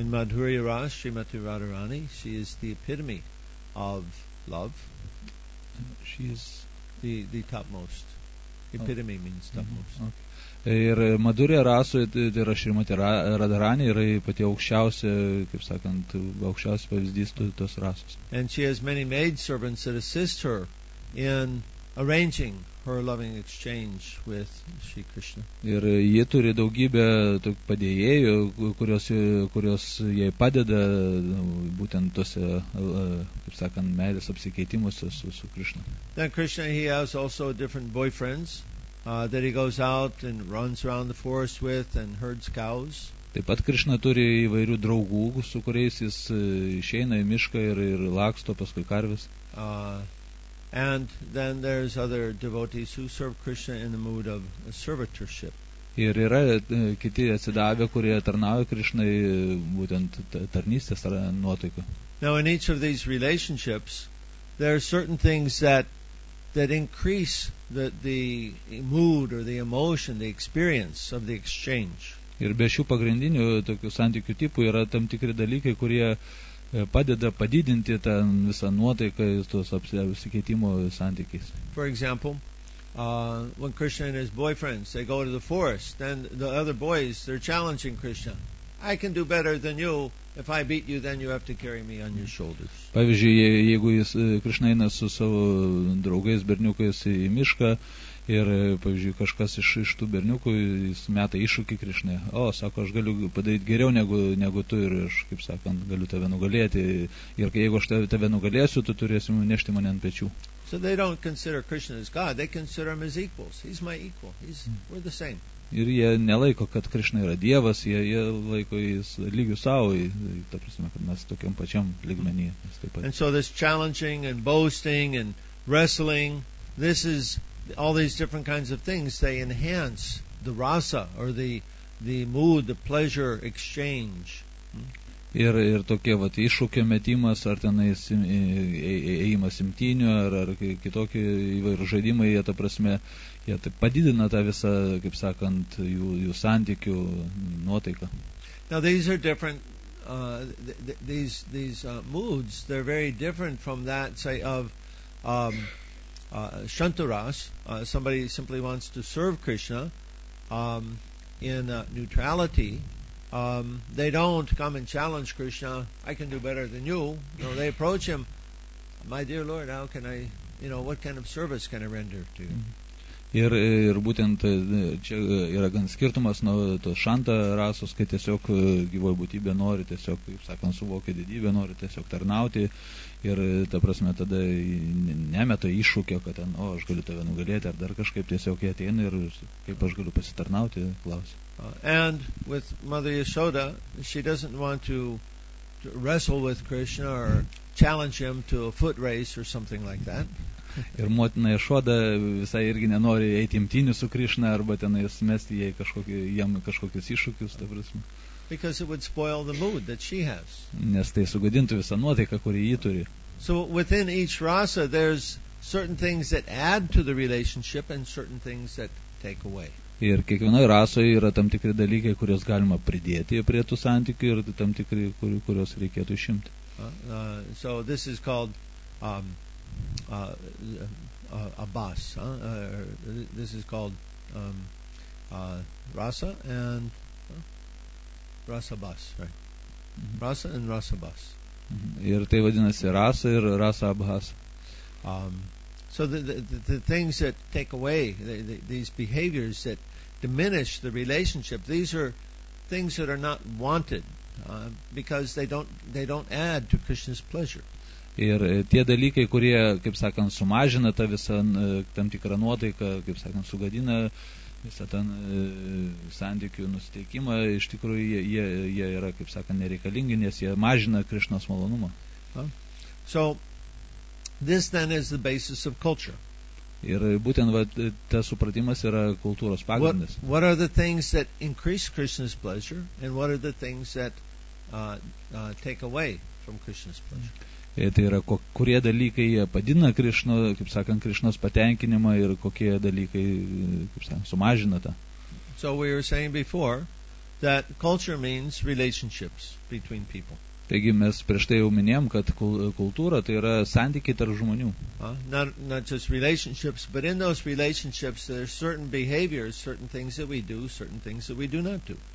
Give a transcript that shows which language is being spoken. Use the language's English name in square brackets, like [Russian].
[English] In Madhurya Ras, Srimati Radharani, she is the epitome of love. She is the topmost. Epitome means topmost. Mm-hmm. Okay. [Lithuanian] Ir Madhurya Rasoje, tai yra Srimati Radharani, yra pati aukščiausia, kaip sakant, aukščiausias pavyzdys tos rasos. [English] And she has many maid servants that assist her in arranging her loving exchange with Sri Krishna. [Lithuanian] Ir ji turi daugybę tokių padėjėjų, kurios jai padeda būtent tose, kaip sakant, meilės apsikeitimuose su Krishna. [English] Then Krishna, he has also different boyfriends. that he goes out and runs around the forest with and herds cows. [Lithuanian] Taip pat Krishna turi įvairių draugų, su kuriais jis išeina į mišką ir laksto paskui karvis. [English] And then there's other devotees who serve Krishna in the mood of servitorship. [Lithuanian] Ir yra kiti atsidavę, kurie tarnauja Krishnai būtent tarnystės nuotaiką. [English] Now in each of these relationships, there are certain things that increase the mood or the emotion, the experience of the exchange. [Lithuanian] Ir be šių pagrindinių tokių santykių tipų yra tam tikri dalykai, kurie padeda padidinti tą visą nuotaiką tos apsikeitimo santykiais. [English] For example, when Krishna and his boyfriends, they go to the forest, then the other boys, they're challenging Krishna. I can do better than you. If I beat you, then you have to carry me on your shoulders. [Lithuanian] Pavyzdžiui, jeigu jis Krishna eina su savo draugais berniukais į mišką ir, pavyzdžiui, kažkas iš tų berniukų jis meta iššūkį Krishnai. O, sako, aš galiu padaryti geriau negu tu ir aš, kaip sakant, galiu tave nugalėti. Ir jeigu aš tave nugalėsiu, tu turėsi nešti mane ant pečių. [English] So they don't consider Krishna as God. They consider him as equals. He's my equal. We're the same. [Lithuanian] Ir jie nelaiko, kad Krishna yra Dievas, jie laiko jis lygių savo, ta prasme, kad mes tokiam pačiam lygmenį. [English] And so this challenging and boasting and wrestling, this is all these different kinds of things, they enhance the rasa or the mood, the pleasure exchange. [Lithuanian] Ir tokie vat iššūkio metimas, ar tenais ėjimas imtynių, ar kitokie įvairių žaidimai, jie ta prasme, jie taip padidina tą visą, kaip sakant, jų santykių nuotaiką. [English] Now these are different, these moods, they're very different from that, say, of shantaras, somebody simply wants to serve Krishna in neutrality. They don't come and challenge Krishna. I can do better than you. No, they approach him. My dear Lord, how can I, you know, what kind of service can I render to you? [Lithuanian] Ir būtent čia yra gan skirtumas nuo to šanta rasos, kai tiesiog gyvoji būtybė nori tiesiog, kaip sakant, suvokia didybė, nori tiesiog tarnauti ir ta prasme tada nemeta iššūkio, kad ten, o aš galiu tave nugalėti, ar dar kažkaip tiesiog jie ateina ir kaip aš galiu pasitarnauti, klausia. [English] And with Mother Yashoda, she doesn't want to wrestle with Krishna or challenge him to a foot race or something like that. [Lithuanian] Ir motina Yashoda visai irgi nenori eiti imtynių su Krishna arba tenai smesti jam kažkokius iššūkius, ta prasme. [English] Because it would spoil the mood that she has. [Lithuanian] Nes tai sugadintų visą nuotaiką, kurį jį turi. [English] So within each rasa there's certain things that add to the relationship and certain things that take away. [Lithuanian] Ir kiekvienoje rasoje yra tam tikri dalykai, kuriuos galima pridėti prie tų santykių ir tam tikri, kuriuos reikėtų išimti. [English] So this is called abbas. This is called rasa and rasa abbas, right? Rasa and rasa abbas. [Lithuanian] Ir tai vadinasi rasa ir rasa abbas. [English] So the things that take away these behaviors that diminish the relationship. These are things that are not wanted because they don't add to Krishna's pleasure. [Lithuanian] Ir tie dalykai, kurie, kaip sakant, sumažina tą visą tam tikrą nuotaiką, kaip sakant, sugadina visą ten santykių nusiteikimą, iš tikrųjų jie yra, kaip sakant, nereikalingi, nes jie mažina Krishnos malonumą. [English] So this then is the basis of culture. [Lithuanian] Ir būtent tas supratimas yra kultūros pagrindas. [English] What are the things that increase Krishna's pleasure and what are the things that take away from Krishna's pleasure? [Lithuanian] Tai yra, kurie dalykai padina Krishna, kaip sakant, Krishnos patenkinimą ir kokie dalykai, kaip sakant, sumažina tą. [English] So we were saying before that culture means relationships between people. [Lithuanian] Taigi mes prieš tai jau minėjom, kad kultūra tai yra santykiai tarp žmonių. [English] Not just relationships, but in those relationships there are certain behaviors, certain things that we do, certain things that we do not do.